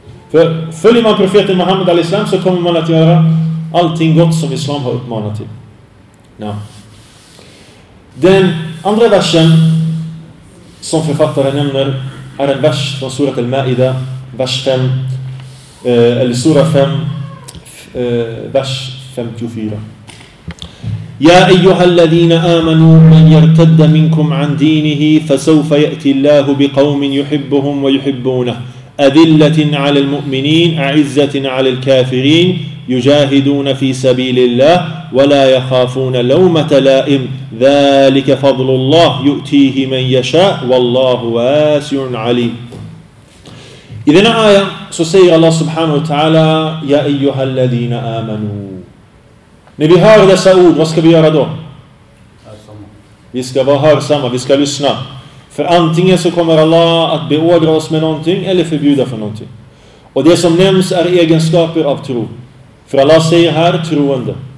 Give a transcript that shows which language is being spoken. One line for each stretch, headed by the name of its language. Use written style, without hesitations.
Swedish: För följer man profeten Muhammed al-Islam, så kommer man att göra allting gott som Islam har uppmanat till. Ja. Den andra versen som författaren nämner är en vers från surat al-Ma'ida, vers 5, eller sura 5, vers 54.
Arabic: يا أيها الذين آمنوا من يرتد منكم عن دينه فسوف يأتي الله بقوم يحبهم ويحبونه أذلة على المؤمنين أعزة على الكافرين يجاهدون في سبيل الله ولا يخافون لومة لائم ذلك فضل الله يؤتيه من يشاء والله واسع عليم. إذا آية سير الله سبحانه وتعالى يا أيها الذين آمنوا.
Swedish: När vi hör dessa ord, vad ska vi göra då? Vi ska vara hörsamma, vi ska lyssna. För antingen så kommer Allah att beordra oss med någonting eller förbjuda för någonting. Och det som nämns är egenskaper av tro. För Allah säger här, troende.